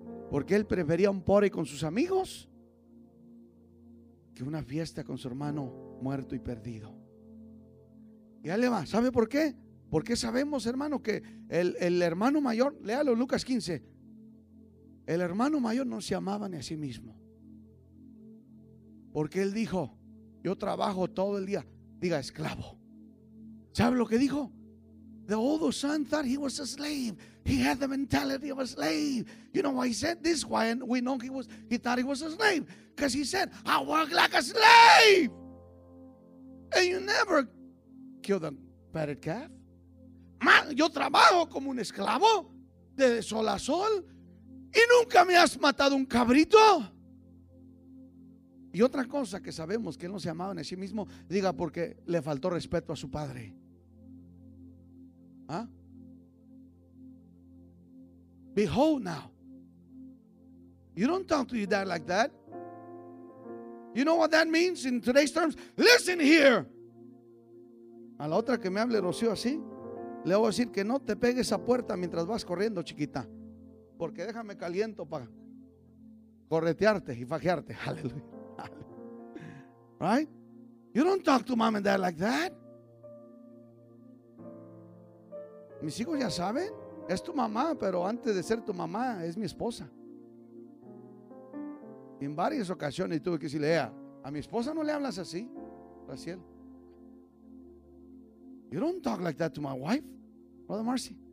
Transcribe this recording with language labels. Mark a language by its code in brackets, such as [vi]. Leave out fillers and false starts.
[es] Porque él prefería un pobre con sus amigos que una fiesta con su hermano muerto y perdido. Y ahí le va. ¿Sabe por qué? Porque sabemos, hermano, que el hermano mayor, léalo Lucas 15, el hermano mayor no se amaba ni a sí mismo. Porque él dijo: yo trabajo todo el día. Diga, esclavo. ¿Sabe lo que dijo? [en] The older son thought he was a slave. He had the mentality of a slave. You know why he said this? Why we know he thought he was a slave? Because he said, I work like a slave. And you never kill the fatted calf. [es] Man, yo trabajo como un esclavo de sol a sol. Y nunca me has matado un cabrito. Y otra cosa que sabemos que él no se amaba en sí mismo, diga, porque le faltó respeto a su padre. ¿Ah? [en] Behold now. You don't talk to your dad like that. You know what that means in today's terms? Listen here. [es] A la otra que me hable Rocío así, le voy a decir que no te pegue esa puerta mientras vas corriendo, chiquita. Porque déjame caliento para corretearte y fajearte. Aleluya. [en] Right? You don't talk to mom and dad like that. [es] Mis hijos ya saben, es tu mamá, pero antes de ser tu mamá, es mi esposa. En varias ocasiones tuve que decirle: a mi esposa no le hablas así, Raciel. [en] You don't talk like that to my wife, Brother Marcy.